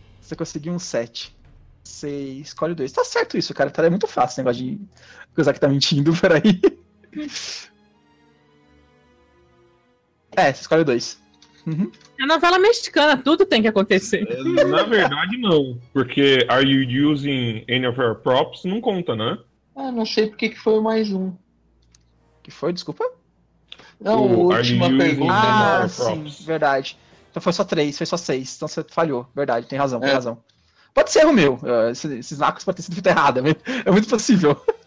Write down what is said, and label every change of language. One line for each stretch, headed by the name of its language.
Portuguese: Você conseguiu um 7. Você escolhe 2. Tá certo isso, cara. É muito fácil esse negócio de coisa que tá mentindo por aí. É, você escolhe 2. Uhum. É novela mexicana, tudo tem que acontecer. Na verdade, não.
English: Porque are you using any of our props?
Portuguese: Não conta, né? Ah, não sei porque que foi mais um. Que foi? Desculpa? Não, a última pergunta. Ah, sim, verdade. Então foi só 3, foi só 6, então você falhou. Verdade, tem razão, tem razão. Pode ser erro meu, esses nacos podem ter sido feito errado, é muito possível.